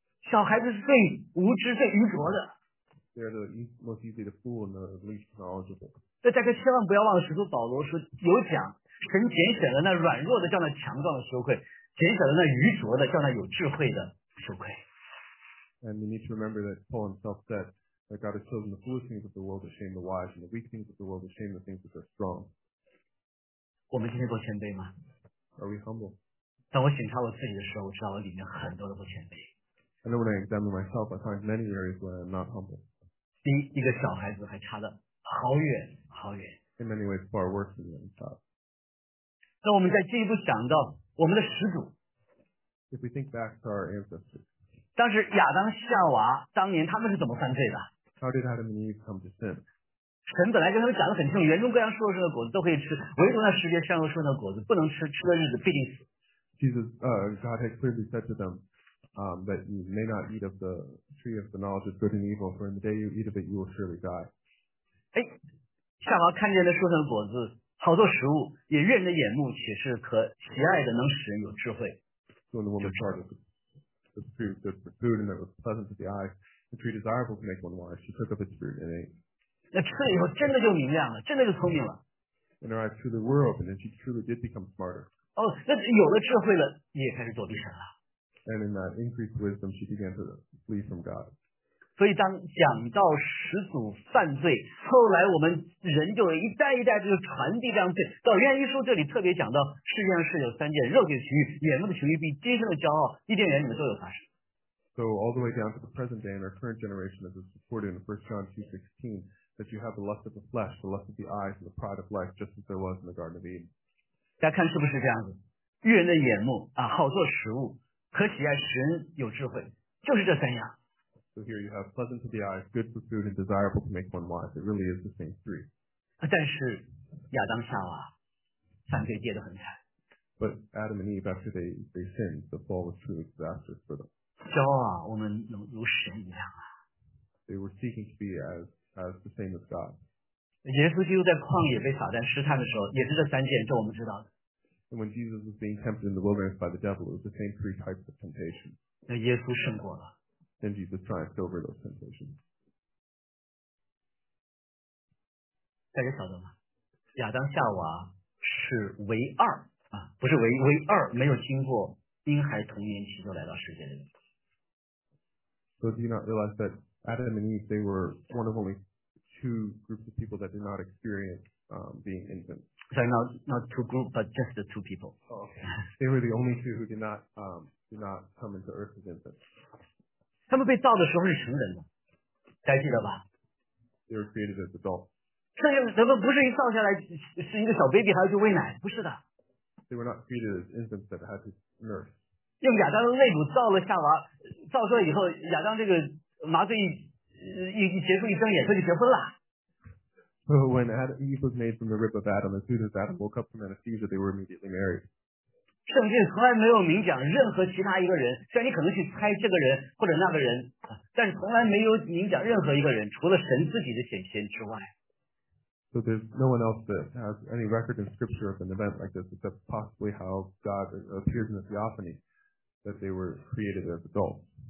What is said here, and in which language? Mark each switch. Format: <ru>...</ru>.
<zh>小孩子是最无知、最愚拙的。</zh> <en>They're the most easy to fool and the least knowledgeable.</en> <zh>这大家千万不要忘了，使徒保罗说有讲，神拣选了那软弱的，叫那强壮的羞愧；拣选了那愚拙的，叫那有智慧的羞愧。</zh> <en>And we need to remember that Paul himself said that God has chosen the foolish things of the world to shame the wise, and the weak things of the world to shame the things that are strong.</en> <zh>我们今天够谦卑吗</zh> <en>？Are we humble?</en> <zh>当我审查我自己的时候，我知道我里面很多的不谦卑。</zh> <en>And then when I examine myself, I find many areas where I'm not humble.</en> <zh>比一个小孩子还差得好远好远。</zh> <en>In many ways, far worse than a young child.</en> <zh>那我们再进一步想到我们的始祖。</zh> <en>If we think back to our ancestors.</en> <zh>当时亚当夏娃当年他们是怎么犯罪的</zh> <en>？How did Adam and Eve come to sin?</en> <zh>神本来跟他们讲得很清楚，园中各样树上的果子都可以吃，唯独那识别善恶树上的果子不能吃，吃了日子必定死。</zh> <en>God had clearly said to them. That you may not eat of the tree of the knowledge of good and evil, for in the day you eat of it, you will surely die.</en> <zh>哎，夏娃看见那树上的果子，好多食物，也悦人的眼目，且是可喜爱的，能使人有智慧。</zh> <en>So the woman saw the tree of good for food, and it was pleasant to the eyes, the tree desirable to make one wise. She took of its fruit and ate.</en> <zh>那吃了以后，真的就明亮了，真的就聪明了。</zh> <en>And her eyes truly were opened, and she truly did become smarter.</en> <zh>哦，那有了智慧了，也开始躲避神了。</zh> <en>And in that increased wisdom, she began to flee from God.</en> <zh>所以当讲到始祖犯罪，后来我们人就一代一代就传递这样罪。到约翰一书这里特别讲到，世界上是有三件：肉体的情欲、眼目的情欲，并今生的骄傲。伊甸园里面都有发生。</zh> <en>So all the way down to the present day and our current generation, as is reported in 1 John 2:16, that you have the lust of the flesh, the lust of the eyes, and the pride of life, just as there was in the Garden of Eden.</en> <zh>大家看是不是这样子？悦人的眼目啊，好做食物。可喜爱使人有智慧，就是这三样。</zh> <en>So here you have pleasant to the eyes, good for food, and desirable to make one wise. It really is the same three.</en> <zh>但是亚当夏娃犯罪跌得很惨。</zh> <en>But Adam and Eve, after they sinned, the fall was truly disastrous for them.</en> <zh>骄傲啊，我们能如神一样啊。</zh> <en>They were seeking to be as the same as God.</en> <zh>耶稣基督在旷野被撒旦试探的时候，也是这三件，这我们知道的。</zh> <en>And when Jesus was being tempted in the wilderness by the devil, it was the same three types of temptation.</en> <zh>那耶稣胜过了。</zh> <en>Then Jesus triumphed over those temptations.</en> <zh>大家晓得吗？亚当夏娃是唯二。啊、不是 唯二没有经过婴孩童年期就来到世界的人。</zh> <en>So do you not realize that Adam and Eve, they were one of only two groups of people that did not experience、being infants? Sorry, not two groups, but just the two people.、 Oh, okay. They were the only two who did not come into earth as infants.</en> <zh>他们被造的时候是成人的，还记得吧？</zh> <en>They were created as adults.</en> <zh>他们不是一造下来是一个小 baby 还要去喂奶，不是的。</zh> <en>They were not treated as infants that had to nurse.</en> <zh>用亚当的肋骨造了夏娃，造出来以后，亚当这个麻醉一结束一睁眼，他就结婚了。</zh> <en>So when Eve was made from the rib of Adam, as soon as Adam woke up from anesthesia, they were immediately married.</en> <zh>圣经从来没有明讲任何其他一个人，虽然你可能去猜这个人或者那个人，但是从来没有明讲任何一个人，除了神自己的显现之外。</zh> <en>So there's no one else that has any record in scripture of an event like this, except possibly how God appears in the theophany that they were created as adults.</en>